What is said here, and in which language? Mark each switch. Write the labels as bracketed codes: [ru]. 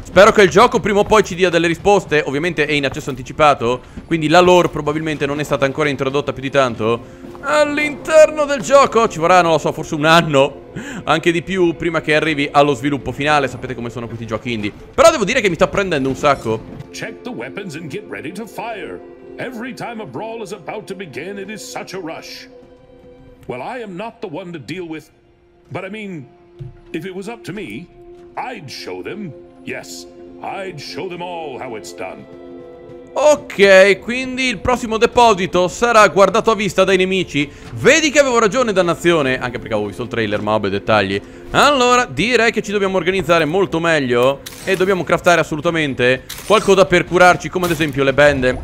[it] Spero che il gioco prima o poi ci dia delle risposte. Ovviamente è in accesso anticipato, quindi la lore probabilmente non è stata ancora introdotta più di tanto. All'interno del gioco ci vorrà, non lo so, forse un anno, anche di più, prima che arrivi allo sviluppo finale. Sapete come sono questi giochi indie. Però devo dire che mi sta prendendo un sacco. [en] Check the weapons and get ready to fire. Every time a brawl is about to begin, it is such a rush. Well, I am not the one to deal with, but I mean, if it was up to me, I'd show them. Yes, I'd show them all how it's done. [it] Ok, quindi il prossimo deposito sarà guardato a vista dai nemici. Vedi che avevo ragione, dannazione. Anche perché avevo visto il trailer, ma vabbè, dettagli. Allora, direi che ci dobbiamo organizzare molto meglio e dobbiamo craftare assolutamente qualcosa per curarci, come ad esempio le bende.